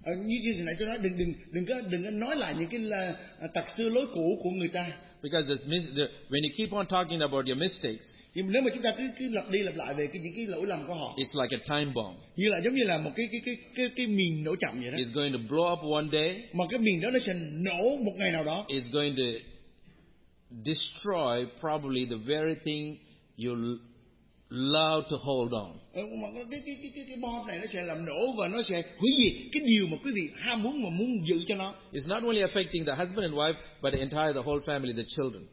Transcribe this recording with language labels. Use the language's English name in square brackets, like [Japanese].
[Vietnamese] Như này tôi nói đừng có nói lại những cái tật xưa lỗi cũ của người ta. [English] Because when you keep on talking about your mistakes. [Vietnamese] Nếu mà chúng ta cứ lặp đi lặp lại về những cái lỗi lầm của họ. [English] It's like a time bomb. [Vietnamese] Như là giống như là một cái mìn nổ chậm vậy đó. [English] It's going to blow up one day. [Vietnamese] Mà cái mìn đó nó sẽ nổ một ngày nào đó. [English] It's going to destroy probably the very thing you love to hold on. It's not only affecting the husband and wife, but the entire, the whole family, the children.